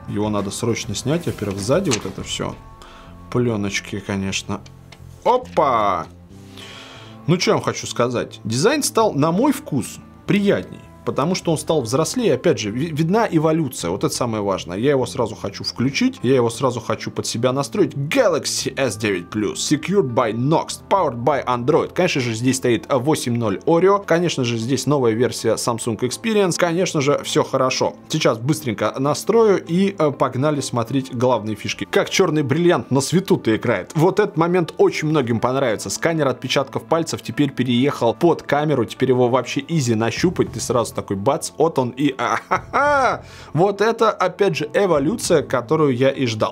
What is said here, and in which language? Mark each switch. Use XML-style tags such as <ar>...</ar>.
<ru>Его надо срочно снять. Во-первых, сзади вот это все. Пленочки, конечно. Опа! Ну, что я вам хочу сказать. Дизайн стал, на мой вкус, приятней. Потому что он стал взрослее, опять же, видна эволюция, вот это самое важное. Я его сразу хочу включить, я его сразу хочу под себя настроить.</ru> <en>Galaxy S9 Plus, secured by Knox, powered by Android.</en> <ru>Конечно же, здесь стоит 8.0 Oreo, конечно же, здесь новая версия Samsung Experience, конечно же, все хорошо. Сейчас быстренько настрою и погнали смотреть главные фишки. Как черный бриллиант на свету-то играет. Вот этот момент очень многим понравится. Сканер отпечатков пальцев теперь переехал под камеру, теперь его вообще изи нащупать, ты сразу такой бац, вот он и вот это, опять же, эволюция, которую я и ждал.</ru>